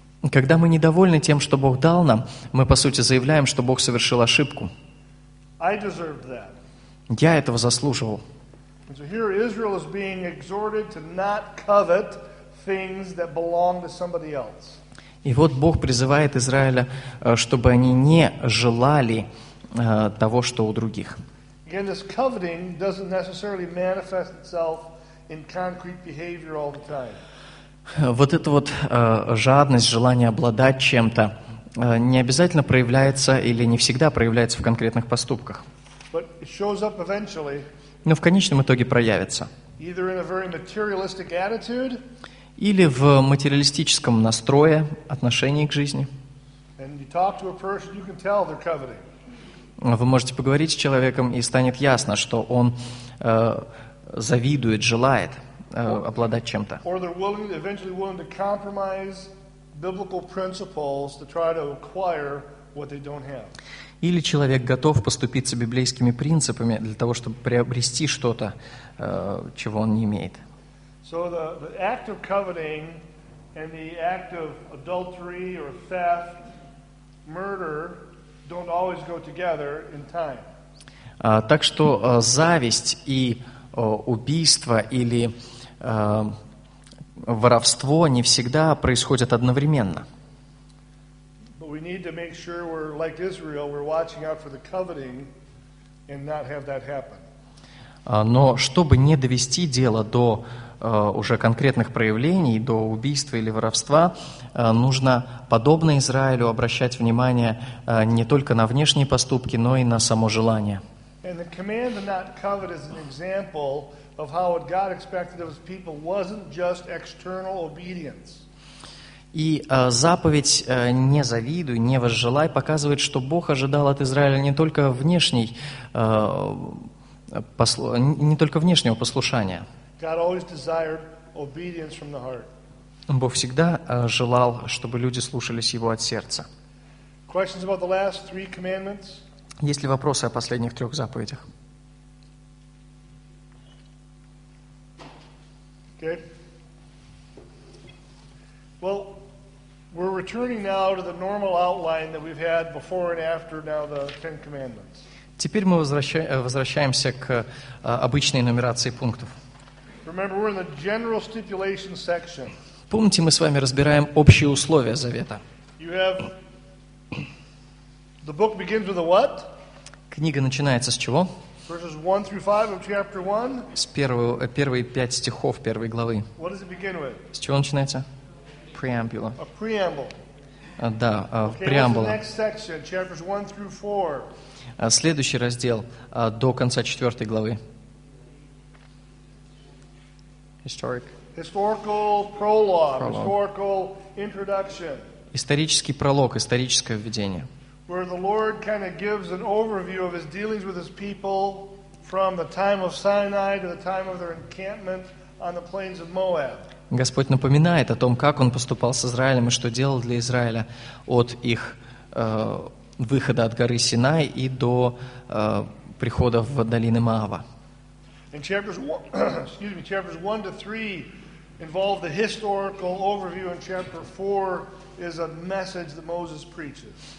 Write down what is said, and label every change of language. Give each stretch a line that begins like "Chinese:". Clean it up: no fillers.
Russian: Когда мы недовольны тем, что Бог дал нам, мы, по сути, заявляем, что Бог совершил ошибку.
English: I deserved that.
Russian: Я этого заслуживал.
English: And so here Israel is being exhorted to not covet things that belong to somebody else.
Russian: И вот Бог призывает Израиля, чтобы они не желали того, что у других.
English: Again, this coveting doesn't necessarily manifest itself in concrete behavior all the time.
Russian: Вот эта вот жадность, желание обладать чем-то, не обязательно проявляется или не всегда проявляется в конкретных поступках.
English: But it shows up eventually.
Russian: Но в конечном итоге проявится.
English: Either in a very materialistic attitude.
Russian: Или в материалистическом настрое, отношении к жизни.
English: And you talk to a person, you can tell they're coveting.
Russian: Вы можете поговорить с человеком, и станет ясно, что он завидует, желает обладать чем-то.
English: Or they're willing, eventually willing to compromise biblical principles to try to acquire what they don't have.
Russian: Или человек готов поступиться библейскими принципами для того, чтобы приобрести что-то, чего он не имеет.
English: So the act of coveting and the act of adultery or theft, murder, don't always go together in time.
Russian: Так что зависть и убийство или воровство не всегда происходят одновременно. Но чтобы не довести дело до уже конкретных проявлений, до убийства или воровства, нужно, подобно Израилю, обращать внимание не только на внешние поступки, но и на само желание.
English: And the command to not covet is an example of how what God expected of his people wasn't just external obedience.
Russian: И заповедь «не завидуй», «не возжелай» показывает, что Бог ожидал от Израиля не только внешней, не только внешнего послушания.
English: God always desired obedience from the heart.
Russian: Бог всегда желал, чтобы люди слушались Его от сердца.
English: Questions about the last three commandments?
Russian: Есть ли вопросы о последних трех заповедях?
English: Okay. Well, we're returning now to the normal outline that we've had before and after now the Ten Commandments.
Russian: Теперь мы возвращаемся к обычной нумерации пунктов.
English: Remember, we're in the general stipulation section.
Russian: Помните, мы с вами разбираем общие условия завета.
English: You have the book begins with a what?
Russian: Книга начинается с чего?
English: Verses 1 through 5 of chapter 1.
Russian: С первые пять стихов первой главы.
English: What does it begin with?
Russian: С чего начинается? Преамбула.
English: A preamble.
Russian: Да,
English: okay,
Russian: преамбула.
English: What's the next section, chapters 1 through 4?
Russian: Следующий раздел до конца четвертой главы.
English: Historic. Historical prologue. Prologue. Historical introduction.
Russian: Исторический пролог, историческое введение.
English: Where the Lord kind of gives an overview of his dealings with his people from the time of Sinai to the time of their encampment on the plains of Moab.
Russian: Господь напоминает о том, как он поступал с Израилем и что делал для Израиля от их выхода от горы Синай и до прихода в долины Моава.
English: In chapters chapters 1 to 3 involve the historical overview, and chapter 4 is a message that Moses preaches.